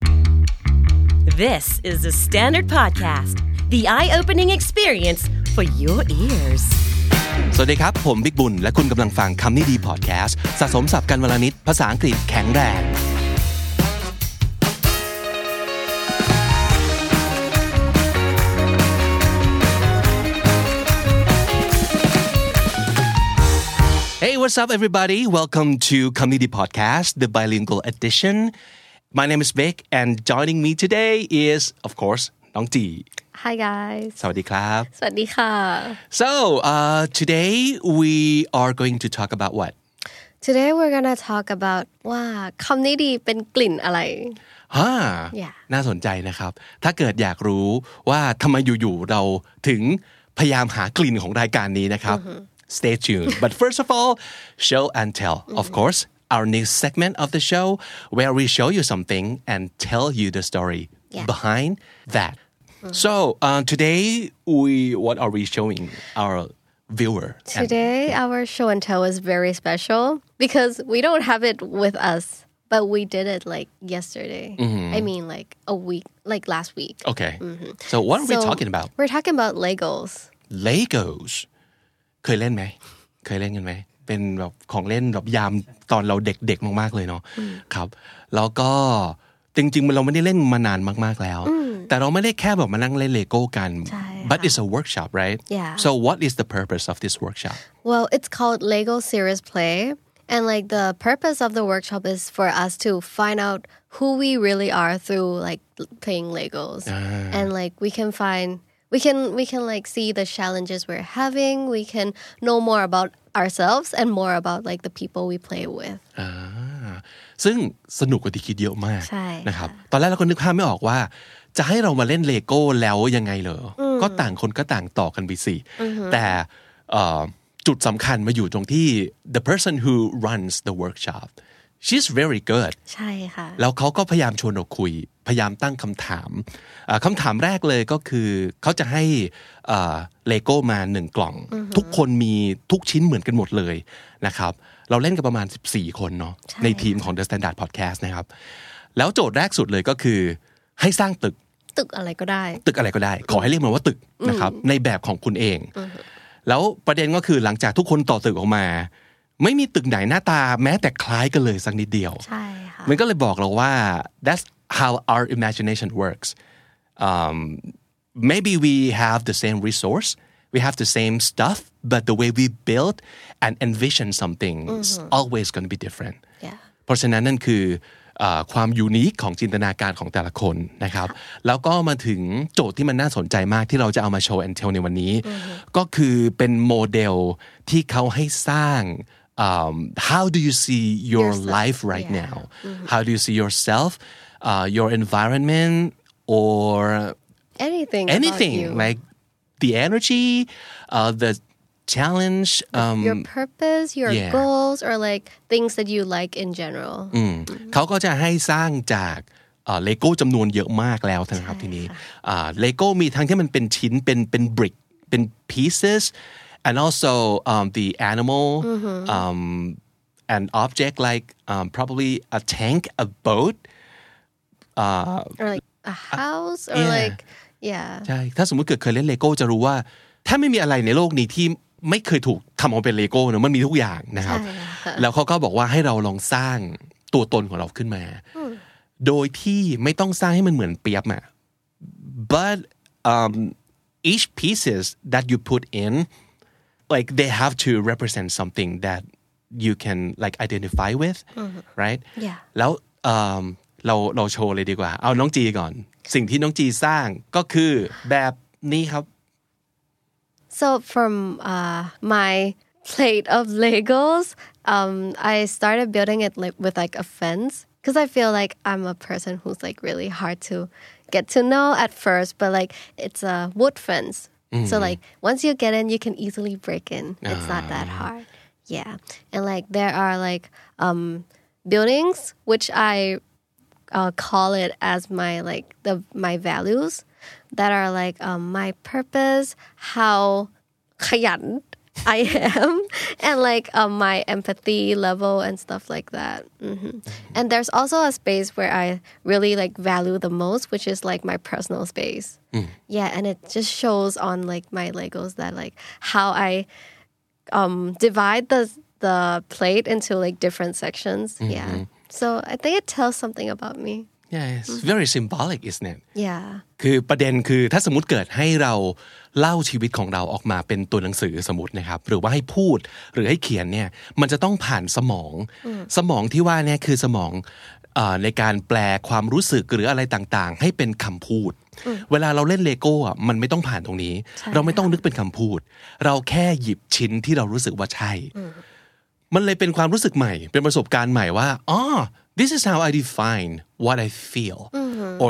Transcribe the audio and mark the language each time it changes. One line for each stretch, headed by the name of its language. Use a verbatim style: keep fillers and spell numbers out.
English: This is the Standard Podcast, the eye-opening experience for your ears.
Thai: สวัสดีครับผมบิ๊กบุญและคุณกำลังฟังคำนี้ดีพอดแคสต์สะสมศัพท์กันวลนิดภาษาอังกฤษแข็งแรง
English: Hey, what's up, everybody? Welcome to คำนี้ดีพอดแคสต์ the bilingual edition. My name is Vic, and joining me today is, of course, Nong T. Hi, guys.
Thai: สวัสดีครับ สวัสดีค่ะ
English: So, uh, today we are going to talk about what? Today we're going to talk about
Thai: ว่าคำนี้ดีเป็นกลิ่นอะไร Huh.
English: Yeah.
Thai: น่าสนใจนะครับ ถ้าเกิดอยากรู้ว่าทำไมอยู่ๆเราถึงพยายามหากลิ่นของรายการนี้นะครับ
English: Stay tuned. But first of all, show and tell, of course. Our new segment of the show where we show you something and tell you the story Yeah. behind that. Mm. So uh, today, we what are we showing our viewer? Today, our show and tell is very special because we don't have it with us, but we did it like yesterday. Mm-hmm. I mean, like a week, like last week. Okay. Mm-hmm. So what are we So, talking about? We're talking about Legos. Legos.
Thai: เคยเล่นไหมเคยเล่นกันไหมเป็นแบบของเล่นแบบยามตอนเราเด็กๆมากๆเลยเนาะครับแล้วก็จริงๆเราไม่ได้เล่นมานานมากๆแล้วแต่เราไม่ได้แค่แบบมานั่งเล่นเลโก้กัน ใช่ค่ะ
English: but it's a workshop right Yeah. so what is the purpose of this workshop Well, it's called Lego Serious Play. And like the purpose of the workshop is for us to find out who we really are through like playing Legos. And like we can find we can we can like see the challenges we're having. We can know more about ourselves and more about like the people we play with.
Thai: อ่าซึ่งสนุกกว่าที่คิดเยอะมาก ใช่ นะครับตอนแรกเราก็นึกภาพไม่ออกว่า จะให้เรามาเล่นเลโก้แล้วยังไงเหรอก็ต่างคนก็ต่างต่อกันไปสิแต่เอ่อจุดสำคัญมาอยู่ตรงที่
English: the person who runs the workshop she's very good
Thai: ใช่ค่ะ แล้วเขาก็พยายามชวนเราคุยพยายามตั้งคำถามเอ่อคำถามแรกเลยก็คือเขาจะให้เอ่อเลโก้มาหนึ่งกล่องทุกคนมีทุกชิ้นเหมือนกันหมดเลยนะครับเราเล่นกันประมาณสิบสี่คนเนาะ ใช่ ในทีมของ The Standard Podcast นะครับแล้วโจทย์แรกสุดเลยก็คือให้สร้างตึก ตึกอะไรก็ได้ ตึกอะไรก็ได้ขอให้เรียกมันว่าตึกนะครับในแบบของคุณเองแล้วประเด็นก็คือหลังจากทุกคนต่อตึกออกมา ไม่มีตึกไหนหน้าตาแม้แต่คล้ายกันเลยสักนิดเดียว ใช่ค่ะ มันก็เลยบอกเราว่า
English: that's how our imagination works um, maybe we have the same resource we have the same stuff but the way we build and envision something is always going to be different Yeah.
Thai: เพราะฉะนั้นนั่นคือเอ่อความยูนิคของจินตนาการของแต่ละคนนะครับแล้วก็มาถึงโจทย์ที่มันน่าสนใจมากที่เราจะเอามาโชว์แอนเทลในวันนี้ก็คือเป็นโมเดลที่เขาให้สร้าง
English: um, how do you see your Yourself. life right Yeah. now how do you see yourself uh, your environment or Anything about anything you. like the energy uh, the challenge um, your purpose, your yeah. goals, or like things that you like in general.
Thai: อืมเขาก็จะให้สร้างจากเลโก้จำนวนเยอะมากแล้วนะครับทีนี้เลโก้มีทั้งที่มันเป็นชิ้นเป็นเป็น brick เป็น
English: pieces and also um, the animal um, an object like um, probably a tank a boat uh, Or like a house, or yeah. like, yeah.
Thai: ใช่ถ้าสมมุติเกิดเคยเล่นเลโก้จะรู้ว่าถ้าไม่มีอะไรในโลกนี้ที่ไม่เคยถูกทำออกมาเป็นเลโก้เนอะมันมีทุกอย่างนะครับ ใช่ค่ะ แล้วเขาก็บอกว่าให้เราลองสร้างตัวตนของเราขึ้นมา โดยที่ไม่ต้องสร้างให้มันเหมือนเปียบอะ
English: but um, each pieces that you put in like they have to represent something that you can like identify with right Yeah.
Thai: แล้วเอิ่มเราเราโชว์เลยดีกว่าเอาน้องจีก่อนสิ่งที่น้องจีสร้างก็คือแบบนี้ครับ
English: So from uh, my plate of Legos, um, I started building it like, with like a fence because I feel like I'm a person who's like really hard to get to know at first, but like it's a wood fence. So like once you get in, you can easily break in. It's not that hard. Yeah. And like there are like um, buildings which I uh, call it as my like the my values that are like um, my purpose, how
Thai: ขยัน
English: I am, and like um, my empathy level and stuff like that. Mm-hmm. And there's also a space where I really like value the most, which is like my personal space. Mm. Yeah, and it just shows on like my Legos that like how I um, divide the the plate into like different sections. Mm-hmm. Yeah, so I think it tells something about me. Yeah, it's very symbolic, isn't it? Yeah.
Thai: คือประเด็นคือถ้าสมมุติเกิดให้เราเล่าชีวิตของเราออกมาเป็นตัวหนังสือสมมุตินะครับหรือว่าให้พูดหรือให้เขียนเนี่ยมันจะต้องผ่านสมองสมองที่ว่าเนี่ยคือสมองเอ่อในการแปลความรู้สึกหรืออะไรต่างๆให้เป็นคำพูดเวลาเราเล่นเลโก้อ่ะมันไม่ต้องผ่านตรงนี้เราไม่ต้องนึกเป็นคำพูดเราแค่หยิบชิ้นที่เรารู้สึกว่าใช่มันเลยเป็นความรู้สึกใหม่เป็นประสบการณ์ใหม่ว่าอ๋อ
English: This is how I define what I feel, mm-hmm.